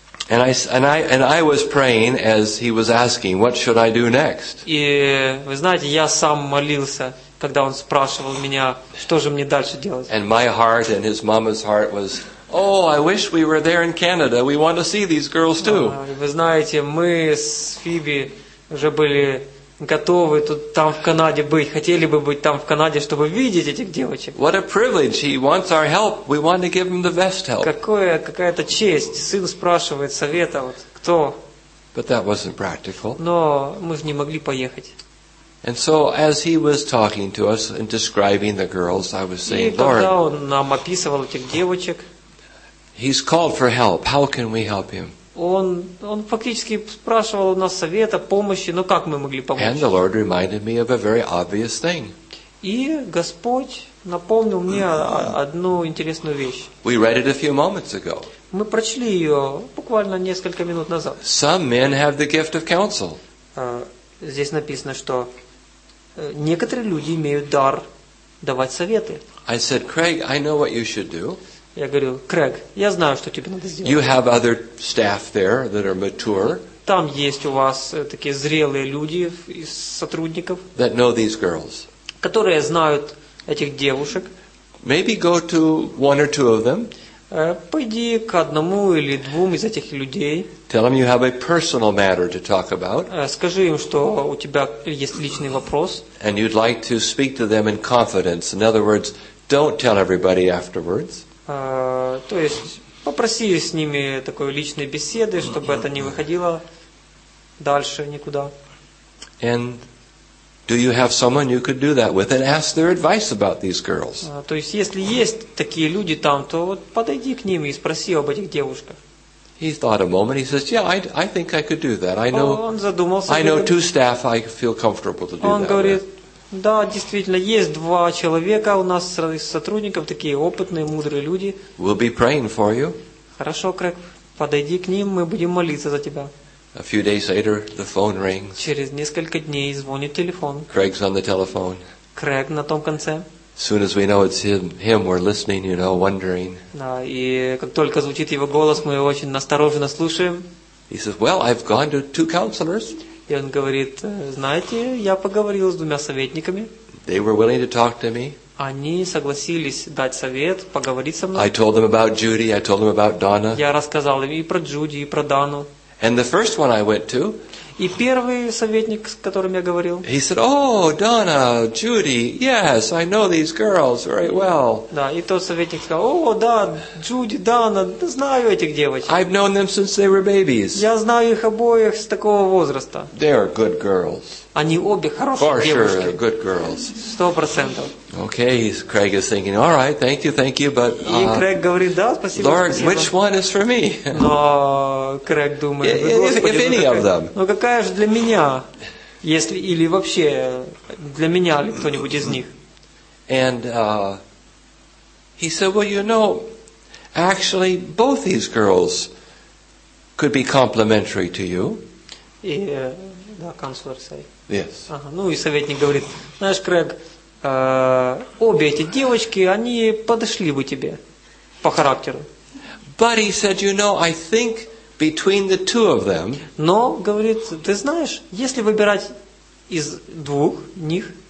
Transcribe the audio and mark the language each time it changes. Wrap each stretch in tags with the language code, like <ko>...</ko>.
<en>And I was praying as he was asking, what should I do next?</en> <ru>И вы знаете, я сам молился, когда он спрашивал меня, что же мне дальше делать.</ru> <en>And my heart and his mama's heart was, oh, I wish we were there in Canada. We want to see these girls too.</en> <ru>Вы знаете, мы с Фиби уже были готовы тут там в Канаде быть, хотели бы быть там в Канаде, чтобы видеть этих девочек.</ru> <en>What a privilege! He wants our help. We want to give him the best help.</en> <ru>Какая-то честь. Сын спрашивает совета. Вот кто?</ru> <en>But that wasn't practical.</en> <ru>Но мы же не могли поехать.</ru> <en>And so as he was talking to us and describing the girls, I was saying, Lord.</en> <ru>И когда он нам описывал этих девочек.</ru> <en>He's called for help. How can we help him?</en> <ru>Он фактически спрашивал у нас совета, помощи, но как мы могли помочь?</ru> <en>And the Lord reminded me of a very obvious thing.</en> <ru>И Господь напомнил мне одну интересную вещь.</ru> <en>We read it a few moments ago.</en> <ru>Мы прочли ее буквально несколько минут назад.</ru> <en>Some men have the gift of counsel.</en> <ru>Здесь написано, что некоторые люди имеют дар давать советы.</ru> <en>I said, Craig, I know what you should do.</en> <ru>Я говорю, Крэг, я знаю, что тебе надо сделать.</ru> <en>You have other staff there that are mature.</en> <ru>Там есть у вас такие зрелые люди из сотрудников.</ru> <en>That know these girls.</en> <ru>Которые знают этих девушек.</ru> <en>Maybe go to one or two of them.</en> <ru>Пойди к одному или двум из этих людей.</ru> <en>Tell them you have a personal matter to talk about.</en> <ru>Скажи им, что у тебя есть личный вопрос.</ru> <en>And you'd like to speak to them in confidence. In other words, don't tell everybody afterwards.</en> <ru>То есть попроси с ними такой личной беседы, чтобы это не выходило дальше никуда.</ru> <en>And do you have someone you could do that with and ask their advice about these girls?</en> <ru>То есть если есть такие люди там, то вот подойди к ним и спроси об этих девушках.</ru> <en>He thought a moment. He says, "Yeah, I think I could do that. I know.</en> <ru>Он задумался.</ru> <en>I know two staff. I feel comfortable to do that."</en> <ru>Он говорит. Да, действительно, есть два человека у нас из сотрудников, такие опытные, мудрые люди.</ru> <en>We'll be praying for you.</en> <ru>Хорошо, Крэг, подойди к ним, мы будем молиться за тебя.</ru> <en>A few days later, the phone rings.</en> <ru>Через несколько дней звонит телефон.</ru> <en>Craig's on the telephone.</en> <ru>Craig на том конце.</ru> <en>Soon as we know it's him, we're listening, you know, wondering.</en> <ru>Да, и как только звучит его голос, мы его очень настороженно слушаем.</ru> <en>He says, "Well, I've gone to two counselors."</en> <ru>И он говорит, знаете, я поговорил с двумя советниками.</ru> <en>They were willing to talk to me.</en> <ru>Они согласились дать совет, поговорить со мной.</ru> <en>I told them about Judy. I told them about Donna.</en> <ru>Я рассказал им и про Джуди, и про Дану.</ru> <en>And the first one I went to.</en> <ru>И первый советник, с которым я говорил.</ru> <en>He said, "Oh, Donna, Judy, yes, I know these girls very well."</en> <ru>Да, и тот советник сказал, "О, да, Джуди, Дана, знаю этих девочек."</ru> <en>I've known them since they were babies.</en> <ru>Я знаю их обоих с такого возраста.</ru> <en>They are good girls.</en> <ru>Они обе хорошие девушки.</ru> <en>For sure, good girls.</en> <ru>100%.</ru> <en>Okay, Craig is thinking, "All right, thank you, but."</en> <ru>И Крейг говорит, да, спасибо.</ru> <en>Lord, which one is for me?</en> <ru>Но Крейг думает,</ru> <en>if any of them.</en> <ru>Какая же для меня, если или вообще для меня ли кто-нибудь из них?</ru> <en>And he said, "Well, you know, actually, both these girls could be complimentary to you."</en> <ru>И да, канцлер сказал.</ru> <en>Yes.</en> <ru>Ага. Ну и советник говорит, знаешь, Крэг, обе эти девочки, они подошли бы тебе по характеру.</ru> <en>But he said, "You know, I think." Between the two of them.</en> <ru>Но говорит, ты знаешь, если выбирать из двух них.</ru>